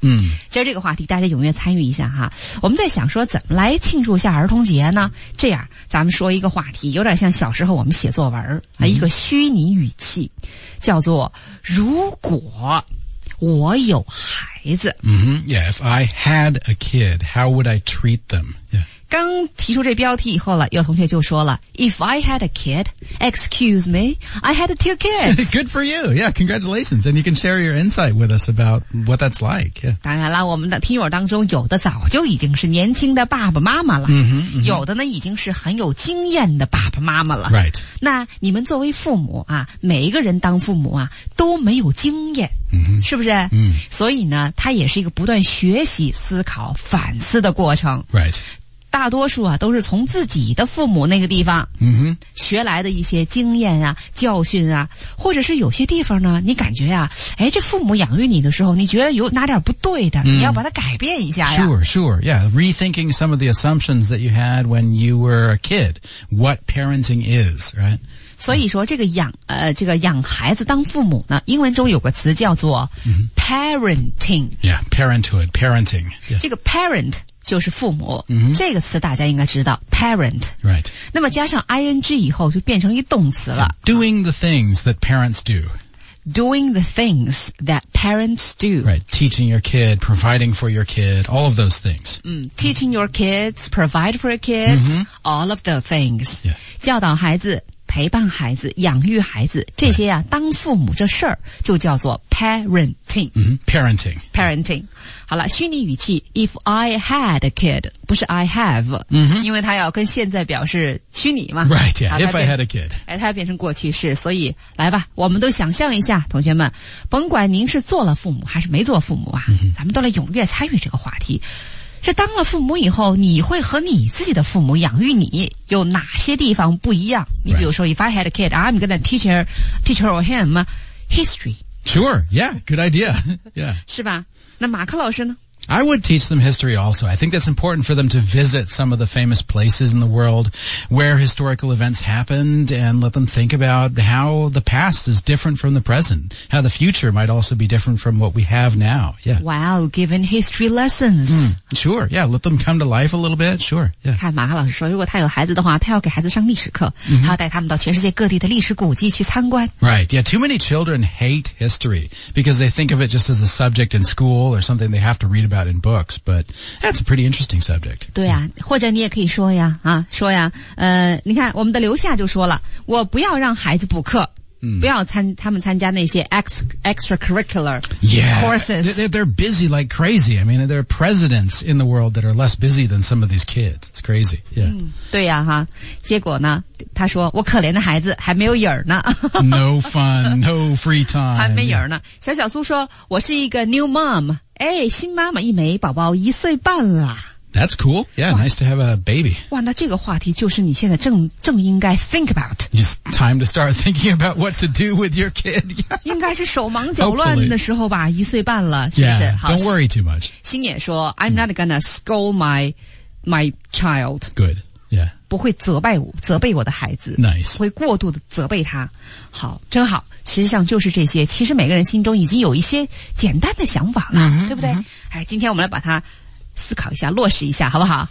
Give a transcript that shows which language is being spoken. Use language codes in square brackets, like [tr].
[zh] 今儿这个话题大家踊跃参与一下哈。我们在想说怎么来庆祝一下儿童节呢？这样，咱们说一个话题，有点像小时候我们写作文儿、一个虚。虚拟语气叫做如果我有孩子、 [en] Yeah, if I had a kid, how would I treat them?、Yeah. [zh] 刚提出这标题以后了，有同学就说了 [en] If I had a kid, excuse me, I had two kids. Good for you. Yeah, congratulations. And you can share your insight with us about what that's like.、Yeah. [zh] 当然了，我们的听友当中有的早就已经是年轻的爸爸妈妈了、有的呢已经是很有经验的爸爸妈妈了。 [en] Right. [zh] 那你们作为父母啊，每一个人当父母啊都没有经验。是不是？所以呢，它也是一个不断学习、思考、反思的过程。 [en] Right. [zh] 大多数啊，都是从自己的父母那个地方，学来的一些经验啊、教训啊，或者是有些地方呢，你感觉呀、哎，这父母养育你的时候，你觉得有哪点不对的，你要把它改变一下呀。 [en] Sure, yeah. Rethinking some of the assumptions that you had when you were a kid. What parenting is, right? [zh] 所以说这个养这个养孩子当父母呢英文中有个词叫做 parenting。 [en] Yeah, parenthood, parenting.、Yeah. [zh] 这个 parent 就是父母、这个词大家应该知道 parent. [en] Right. [zh] 那么加上 ing 以后就变成一动词了。 [en] Doing the things that parents do. Doing the things that parents do. Right, teaching your kid, providing for your kid, all of those things.、 teaching your kids, provide for your kids,、all of the things.、 Yeah. [zh] 教导孩子陪伴孩子养育孩子这些啊、 [en] right. [zh] 当父母这事儿就叫做 parenting、 [en] parenting [zh] parenting 好了虚拟语气 [en] if I had a kid [zh] 不是 [en] I have、 [zh] 因为它要跟现在表示虚拟嘛 [en] right yeah if I had a kid [zh] 哎，它要变成过去式所以来吧我们都想象一下同学们甭管您是做了父母还是没做父母啊、咱们都来踊跃参与这个话题这当了父母以后你会和你自己的父母养育你有哪些地方不一样你比如说、 [en] right. If I had a kid, I'm going to teach her or him history. Sure, yeah, good idea. Yeah. [zh] 是吧那马克老师呢 [en] I would teach them history also. I think that's important for them to visit some of the famous places in the world where historical events happened and let them think about how the past is different from the present, how the future might also be different from what we have now. Yeah. Wow, given history lessons.、 Sure, yeah, let them come to life a little bit, sure. Yeah. [zh] 看马克老师说如果他有孩子的话他要给孩子上历史课、他要带他们到全世界各地的历史古迹去参观。 [en] Right, yeah, too many children hate history because they think of it just as a subject in school or something they have to read about in books, but that's a pretty interesting subject. [zh] 对啊或者你也可以说呀啊说呀你看我们的刘夏就说了我不要让孩子补课。不要他们参加那些 [en] extracurricular courses. Yeah, they're busy like crazy. I mean, there are presidents in the world that are less busy than some of these kids. It's crazy. Yeah. [zh] 对呀、哈结果呢他说我可怜的孩子还没有影儿呢。 [en] No fun, no free time. [zh] 还没影儿呢。小小苏说我是一个 [en] new mom. [zh] 哎新妈妈一枚宝宝一岁半了。 [en] That's cool. Yeah, nice to have a baby. [zh] 哇那这个话题就是你现在正应该 [en] think about. It's time to start thinking about what to do with your kid. [zh] 应该是手忙脚乱的时候吧、 [en] Hopefully. [zh] 一岁半了是 [en] yeah, [zh] 是好 [en] don't worry too much. [zh] 星野说 [en] I'm not gonna scold my child. Good, yeah. [zh] 不会责备我的孩子。 [en] Nice. [zh] 会过度的责备他。好真好实际上就是这些其实每个人心中已经有一些简单的想法了、对不对、哎、今天我们来把它思考一下落实一下好不好